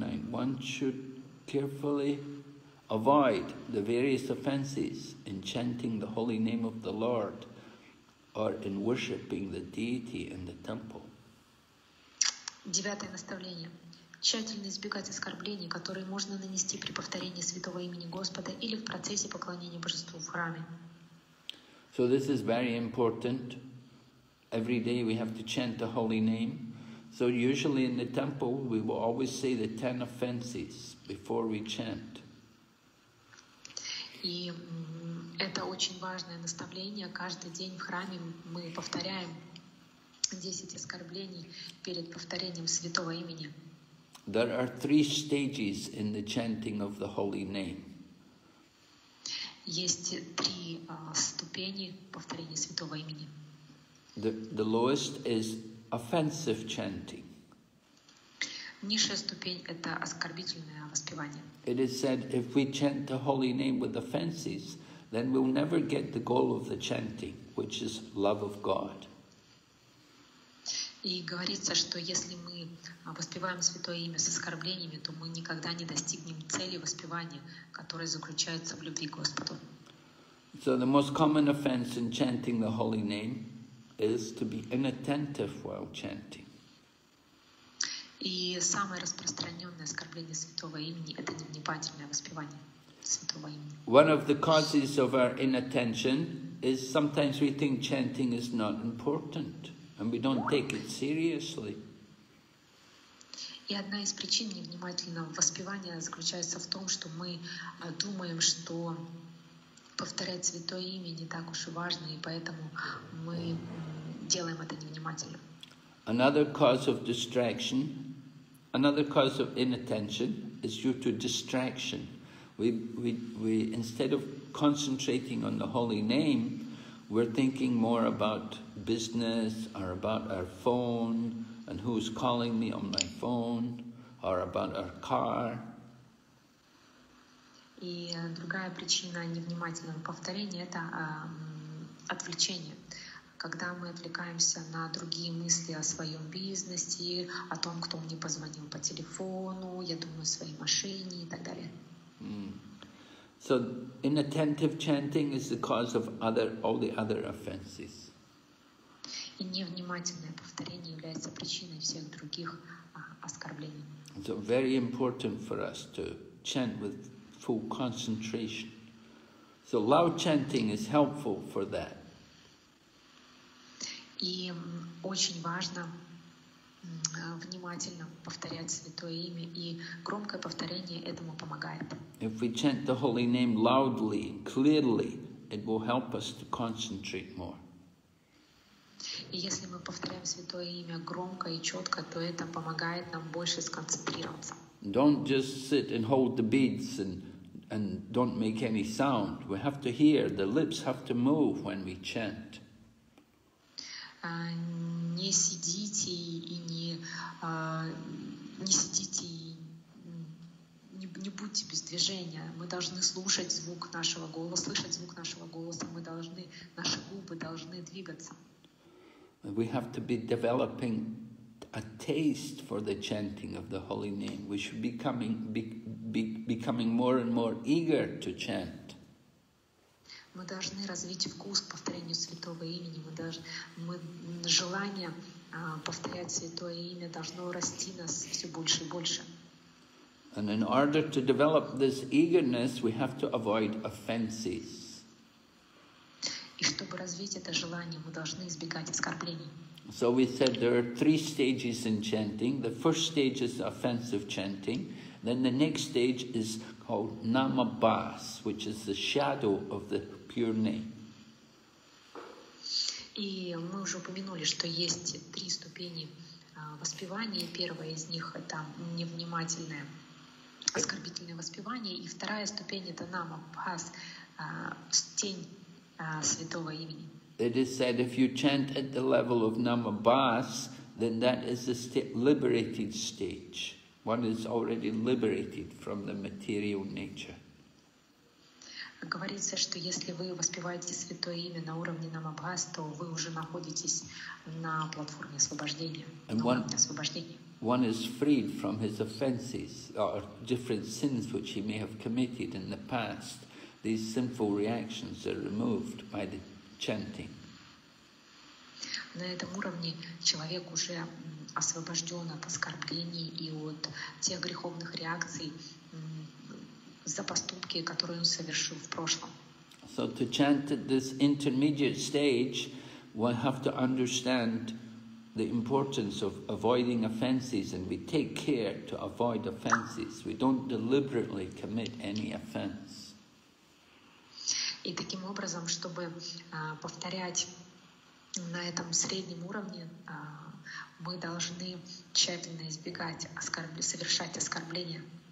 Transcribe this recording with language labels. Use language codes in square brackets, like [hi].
[en] One should carefully avoid the various offenses in chanting the holy name of the Lord or in worshipping the deity in the temple. [ru] Девятое наставление. Тщательно избегать оскорблений, которые можно нанести при повторении святого имени Господа или в процессе поклонения божеству в храме. [en] So this is very important. Every day we have to chant the holy name. So usually in the temple we will always say the 10 offenses before we chant. [ru] И это очень важное наставление. Каждый день в храме мы повторяем 10 оскорблений перед повторением святого имени. [en] There are three stages in the chanting of the holy name. [ru] Есть три ступени повторения святого имени. [en] The lowest is offensive chanting. [ru] Низшая ступень — это оскорбительное воспевание. [en] It is said, if we chant the holy name with offenses, then we'll never get the goal of the chanting, which is love of God. [ru] И говорится, что если мы воспеваем святое имя с оскорблениями, то мы никогда не достигнем цели воспевания, которая заключается в любви к Господу. [en] So the most common offense in chanting the holy name is to be inattentive while chanting. [ru] И самое распространенное оскорбление святого имени – это невнимательное воспевание святого имени. [en] One of the causes of our inattention is sometimes we think chanting is not important and we don't take it seriously. [ru] И одна из причин невнимательного воспевания заключается в том, что мы думаем, что повторять святое имя не так уж и важно, и поэтому мы делаем это невнимательно. [en] Another cause of distraction. Another cause of inattention is due to distraction. We instead of concentrating on the holy name, we're thinking more about business or about our phone and who's calling me on my phone or about our car. [ru] И другая причина невнимательного повторения – это отвлечение. Когда мы отвлекаемся на другие мысли о своем бизнесе, о том, кто мне позвонил по телефону, я думаю о своей машине и так далее. [en] So inattentive chanting is the cause of all the other offenses. [ru] И невнимательное повторение является причиной всех других оскорблений. [en] So very important for us to chant with full concentration. So loud chanting is helpful for that. [ru] И очень важно внимательно повторять святое имя, и громкое повторение этому помогает. [en] If we chant the holy name loudly and clearly, it will help us to concentrate more. [ru] И если мы повторяем святое имя громко и четко, то это помогает нам больше сконцентрироваться. [en] Don't just sit and hold the beads and don't make any sound. We have to hear. The lips have to move when we chant. [ru] Не сидите и не будьте без движения. Мы должны слушать звук нашего голоса, слышать звук нашего голоса. Мы должны, наши губы должны двигаться. [en] We have to be developing a taste for the chanting of the holy name. We should becoming more and more eager to chant. [ru] Мы должны развить вкус к повторению святого имени. Желание повторять святое имя должно расти нас все больше и больше. [en] And in order to develop this eagerness, we have to avoid offenses. [ru] И чтобы развить это желание, мы должны избегать оскорблений. [en] So we said there are three stages in chanting. The first stage is offensive chanting. Then the next stage is called Namabhas, which is the shadow of the pure name. [ru] И мы уже упомянули, что есть три ступени воспевания. Первая из них — это невнимательное оскорбительное воспевание, и вторая ступень — это Namabhas, тень святого имени. [en] It is said if you chant at the level of Namabhas, then that is the liberated stage. One is already liberated from the material nature. [ru] Говорится, что если вы воспеваете святое имя на уровне Namabhas, то вы уже находитесь на платформе освобождения. [en] One is freed from his offenses or different sins which he may have committed in the past. These sinful reactions are removed by the chanting. [ru] На этом уровне человек уже освобожден от оскорблений и от тех греховных реакций за поступки, которые он совершил в прошлом. [en] So to chant at this intermediate stage, we have to understand the importance of avoiding offenses, and we take care to avoid offenses. We don't deliberately commit any offense. [ru] И таким образом, чтобы повторять на этом среднем уровне, мы должны тщательно избегать совершать оскорбления.